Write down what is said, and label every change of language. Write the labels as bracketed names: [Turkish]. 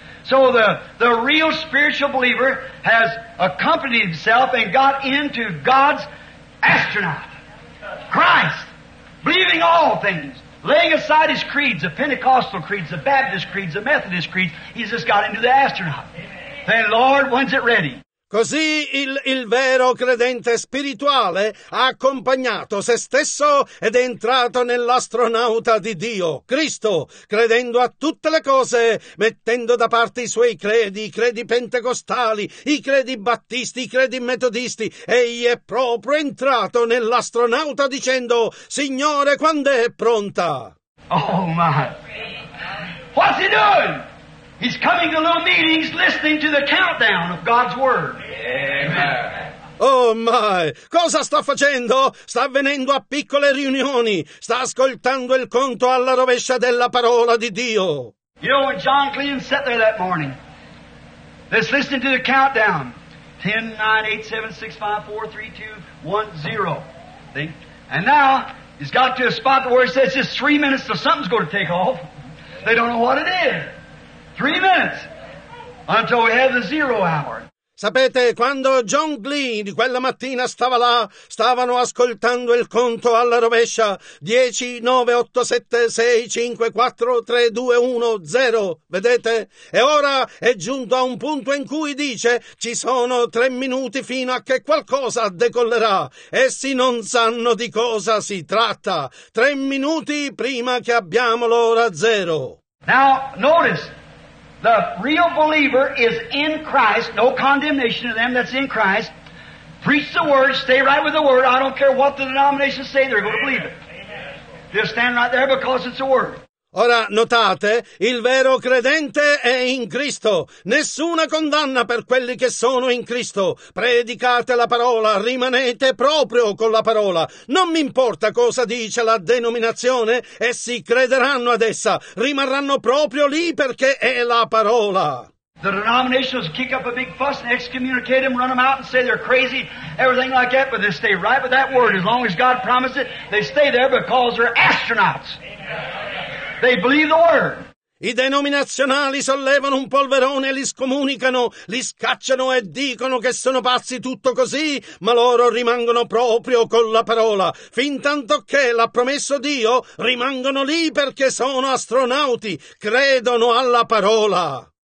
[English] So the real spiritual believer has accompanied himself and got into God's astronaut, Christ, believing all things, laying aside his creeds, the Pentecostal creeds, the Baptist creeds, the Methodist creeds. He's just got into the astronaut. Then, Lord, when's it ready? [Italian] Così il vero credente spirituale ha accompagnato se stesso ed è entrato nell'astronauta di Dio, Cristo, credendo a tutte le cose, mettendo da parte i suoi credi, i credi pentecostali, i credi battisti, i credi metodisti. Egli è proprio entrato nell'astronauta dicendo: Signore, quando è pronta? [English] Oh my! What's he doing? He's coming to little meetings listening to the countdown of God's Word. Amen. Oh my! [Italian] Cosa sta facendo? Sta venendo a piccole riunioni. Sta ascoltando il conto alla rovescia della parola di Dio. [English] You know, when John Glenn sat there that morning, just listening to the countdown, 10, 9, 8, 7, 6, 5, 4, 3, 2, 1, 0. See? And now, he's got to a spot where he says, just 3 minutes till something's going to take off. They don't know what it is. 3 minutes until we have the zero hour. [Italian] Sapete, quando John Glenn quella mattina stava là, stavano ascoltando il conto alla rovescia. 10, 9, 8, 7, 6, 5, 4, 3, 2, 1, 0. Vedete? E ora è giunto a un punto in cui dice ci sono 3 minuti fino a che qualcosa decollerà. Essi non sanno di cosa si tratta. 3 minuti prima che abbiamo l'ora zero. [English] Now, notice. The real believer is in Christ, no condemnation to them that's in Christ. Preach the word, stay right with the word. I don't care what the denominations say, they're going to believe it. They'll stand right there because it's the word. [Italian] Ora notate, il vero credente è in Cristo. Nessuna condanna per quelli che sono in Cristo. Predicate la parola, rimanete proprio con la parola. Non mi importa cosa dice la denominazione, essi crederanno ad essa. Rimarranno proprio lì perché è la parola. [English] The denominations kick up a big fuss and excommunicate them, run them out and say they're crazy, everything like that, but they stay right with that word. As long as God promised it, they stay there because they're astronauts. They believe the word. [Italian] I denominazionali sollevano un polverone, li scomunicano, li scacciano e dicono che sono pazzi tutto così, ma loro rimangono proprio con la parola. Fin tanto che l'ha promesso Dio, rimangono lì perché sono astronauti, credono alla parola.